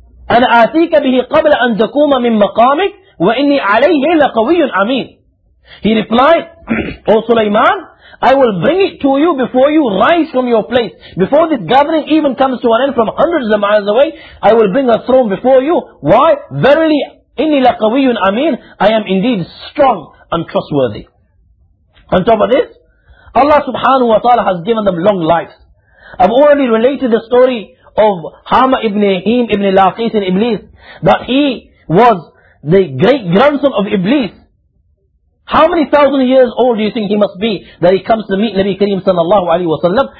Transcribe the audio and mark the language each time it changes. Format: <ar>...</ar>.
<ar>أَنَا آتِيكَ بِهِ قَبْلَ أَنْ تَكُومَ مِنْ مَقَامِكَ وَإِنِّي عَلَيْهِ لَقَوِيٌ أَمِينٌ.</ar> <en>He replied, O Sulaiman, I will bring it to you before you rise from your place. Before this gathering even comes to an end from hundreds of miles away, I will bring a throne before you. Why? Verily,</en> <ar>إِنِّي لَقَوِيٌ أَمِينٌ.</ar> <en>I am indeed strong and trustworthy. On top of this, Allah subhanahu wa ta'ala has given them long lives. I've already related the story of Hama ibn Ahim ibn Laqis in Iblis, that he was the great grandson of Iblis. How many thousand years old do you think he must be that he comes to meet Nabi Kareem sallallahu alaihi wasallam?</en>